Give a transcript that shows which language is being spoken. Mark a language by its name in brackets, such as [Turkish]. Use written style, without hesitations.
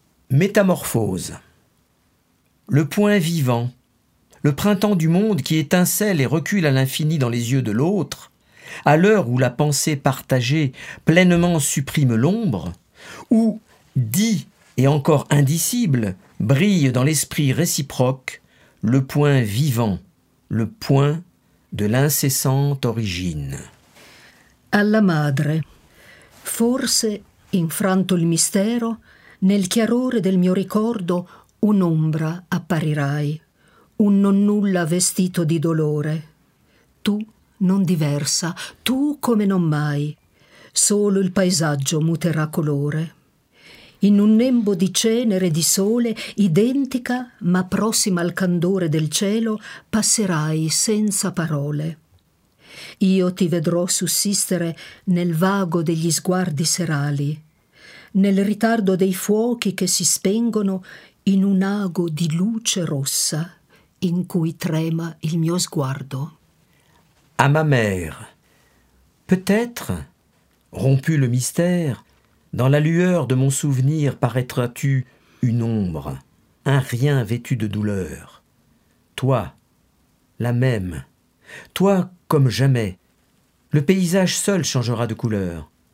[French] Métamorphose. Le point vivant, le printemps du monde qui étincelle et recule à l'infini dans les yeux de l'autre, à l'heure où la pensée partagée pleinement supprime l'ombre, où, dit et encore indicible, brille dans l'esprit réciproque le point vivant, le point de l'incessante origine. [Italian] Alla madre. Forse, infranto il mistero, nel chiarore del mio ricordo un'ombra apparirai, un non nulla vestito di dolore. Tu non diversa, tu come non mai, solo il paesaggio muterà colore. In un nembo di cenere e di sole, identica ma prossima al candore del cielo, passerai senza parole. Io ti vedrò sussistere nel vago degli sguardi serali, nel ritardo dei fuochi che si spengono in un ago di luce rossa in cui trema il mio sguardo. [French] À ma mère, peut-être, rompu le mystère, dans la lueur de mon souvenir paraîtras-tu une ombre, un rien vêtu de douleur. Toi, la même, toi comme jamais, le paysage seul changera de couleur.